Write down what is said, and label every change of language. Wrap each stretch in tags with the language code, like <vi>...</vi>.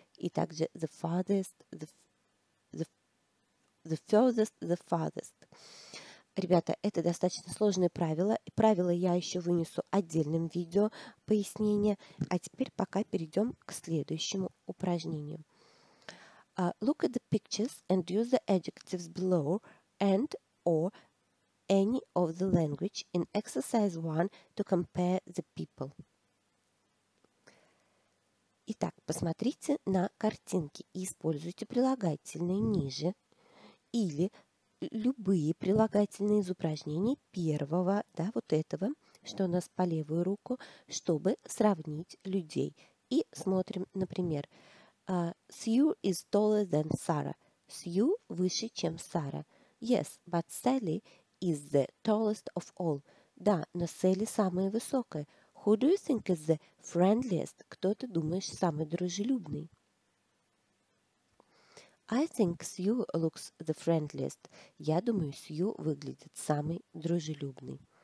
<ru>И также</ru> <en>the farthest, the furthest, the farthest.</en> <ru>Ребята, это достаточно сложные правила. Правила я еще вынесу отдельным видео пояснение. А теперь пока перейдем к следующему упражнению.</ru> <en>Look at the pictures and use the adjectives below and or any of the language in exercise 1 to compare the people.</en> <ru>Итак, посмотрите на картинки и используйте прилагательные ниже или любые прилагательные из упражнений первого, да, вот этого, что у нас по левую руку, чтобы сравнить людей. И смотрим, например,</ru> <en>Sue is taller than Sarah.</en> <ru>Sue выше, чем Сара.</ru> <en>Yes, but Sally is the tallest of all.</en> <ru>Да, но Сэлли самая высокая.</ru> <en>Who do you think is the friendliest?</en> <ru>Кто ты думаешь самый дружелюбный?</ru> <en>I think Sue looks the friendliest.</en> <ru>Я думаю, Sue выглядит самый дружелюбный.</ru>